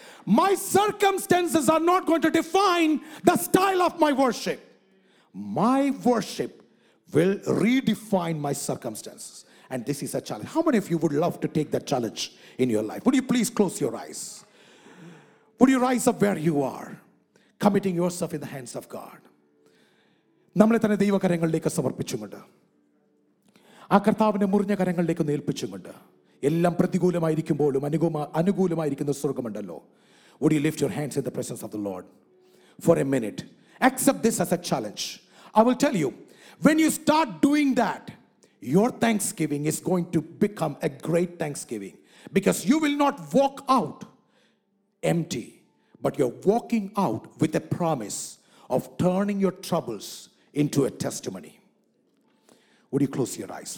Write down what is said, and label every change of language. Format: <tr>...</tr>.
<en>My circumstances are not going to define the style of my worship. My worship will redefine my circumstances. And this is a challenge. How many of you would love to take that challenge in your life? Would you please close your eyes? Would you rise up where you are, committing yourself in the hands of God?</en> <ml>നമ്മളെ തന്നെ ദൈവകരങ്ങളിലേക്ക് സമർപ്പിച്ചുകൊണ്ട് ആ കർത്താവിന്റെ മുറിഞ്ഞ കരങ്ങളിലേക്ക് ഏൽപ്പിച്ചുകൊണ്ട് എല്ലാം പ്രതികൂലമായിരിക്കുമ്പോഴും അനുകൂലമായിരിക്കുന്ന സ്വർഗമുണ്ടല്ലോ.</ml> <en>Would you lift your hands in the presence of the Lord for a minute? Accept this as a challenge. I will tell you, when you start doing that, your thanksgiving is going to become a great thanksgiving, because you will not walk out empty, but you're walking out with a promise of turning your troubles into a testimony. Would you close your eyes?</en>